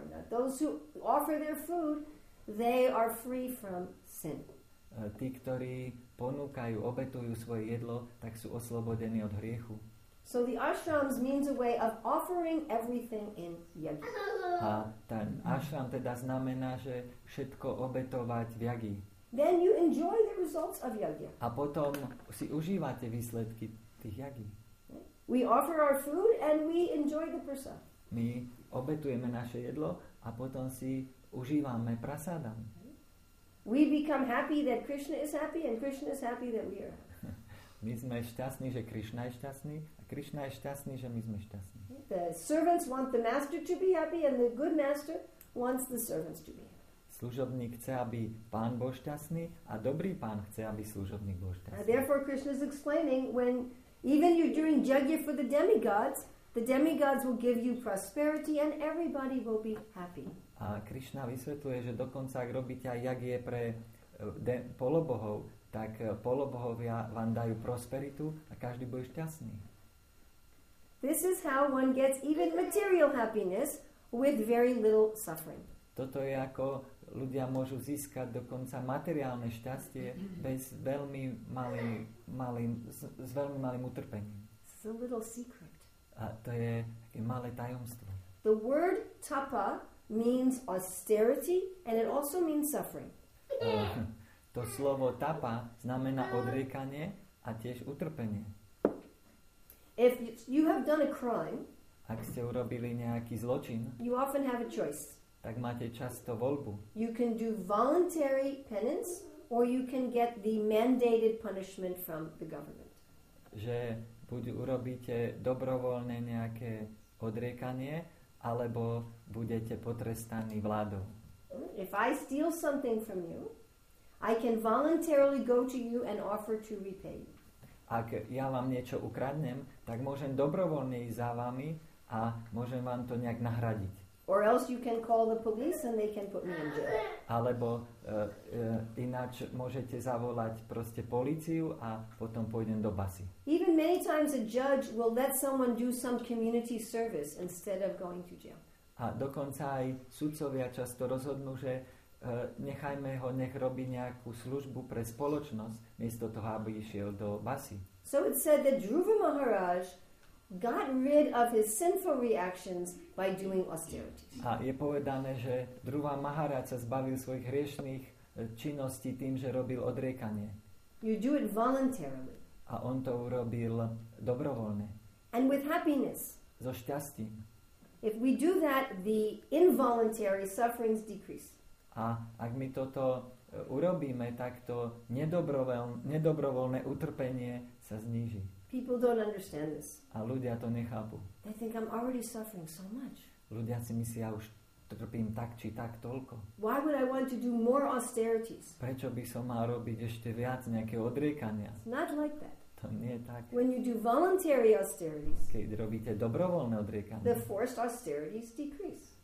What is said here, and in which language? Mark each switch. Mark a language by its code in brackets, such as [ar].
[en] Those who offer their food, they are free from sin. [sk] Tí, ktorí ponúkajú, obetujú svoje jedlo, tak sú oslobodení od hriechu. [en] So the ashrams means a way of offering everything in yagi. [sk] A ten ashram teda znamená, že všetko obetovať v yagi. [en] Then you enjoy the results of yagya. [sk] A potom si užívate výsledky tých yagi. [en] We offer our food and we enjoy the prasad. [sk] My obetujeme naše jedlo a potom si užívame prasadam. [en] We become happy that Krishna is happy and Krishna is happy that we are. [sk] My sme šťastní, že Krishna je šťastný a Krishna je šťastný, že my sme šťastní. [en] The servants want the master to be happy and the good master wants the servants to be happy. [sk] Služobník chce, aby pán bol šťastný a dobrý pán chce, aby služobník bol šťastný. [en] Therefore Krishna is explaining when even you're doing yagya for the demigods will give you prosperity and everybody will be happy. [sk] A Krishna vysvetľuje, že dokonca ak robíte aj yagya pre polobohov, tak polobohovia vám dajú prosperitu a každý bude šťastný. [en] This is how one gets even material happiness with very little suffering. [sk] Toto je ako ľudia môžu získať dokonca materiálne šťastie bez veľmi malým utrpením. [en] It's a little secret. [sk] A to je také malé tajomstvo. [en] The word tapa means austerity and it also means suffering. [sk] To slovo tapa znamená odriekanie a tiež utrpenie. [en] If you have done a crime, [sk] ak ste urobili nejaký zločin, [en] you often have a choice. [sk] Tak máte často voľbu. [en] You can do voluntary penance or you can get the mandated punishment from the government. [sk] Že buď urobíte dobrovoľne nejaké odriekanie, alebo budete potrestaní vládou. [en] If I steal something from you, I can voluntarily go to you and offer to repay you. [sk] Ak ja vám niečo ukradnem, tak môžem dobrovoľne ísť za vami a môžem vám to nejak nahradiť. [en] Or else you can call the police and they can put me in jail. [sk] Alebo ináč môžete zavolať proste políciu a potom pôjdem do basy. [en] Even many times a judge will let someone do some community service instead of going to jail. [sk] A dokonca aj sudcovia často rozhodnú, že nechajme ho, nech robí nejakú službu pre spoločnosť, miesto toho, aby išiel do basy. [en] So it said that Dhruva Maharaj got rid of his sinful reactions by doing austerities. [sk] A je povedané, že Dhruva Maharaj sa zbavil svojich hriešných činností tým, že robil odriekanie. [en] You do it voluntarily. [sk] A on to urobil dobrovoľne. [en] And with happiness. [sk] So šťastím. [en] If we do that, the involuntary sufferings decrease. [sk] A ak my toto urobíme, tak to nedobrovoľné utrpenie sa zníži. [en] People don't understand this. [sk] A ľudia to nechápu. [en] They think I'm already suffering so much. [sk] Ľudia si myslia, už trpím tak či tak toľko. [en] Why would I want to do more austerities? [sk] Prečo by som mal robiť ešte viac nejaké odriekania? [en] It's not like that. [sk] To nie je tak. [en] When you do voluntary austerities, [sk] keď robíte dobrovoľné odriekania, [en] the forced austerities decrease.